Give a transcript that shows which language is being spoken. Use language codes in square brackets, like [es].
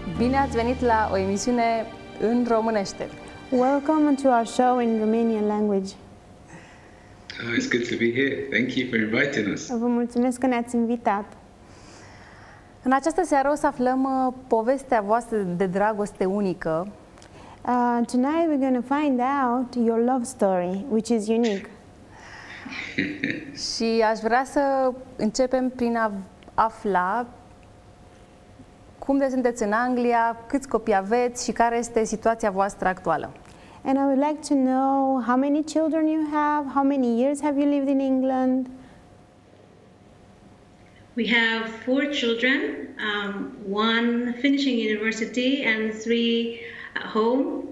[ro] Bine ați venit la o emisiune în românește! [en] Welcome to our show in Romanian language! Oh, it's good to be here. Thank you for inviting us. [ro] Vă mulțumesc că ne-ați invitat. În această seară o să aflăm povestea voastră de dragoste unică. [en] Tonight we're going to find out your love story, which is unique. [ro] Și aș vrea să începem prin a afla cum de sunteți în Anglia, câți copii aveți și care este situația voastră actuală. [en] And I would like to know how many children you have, how many years have you lived in England? We have 4 children, 1 finishing university and 3 at home.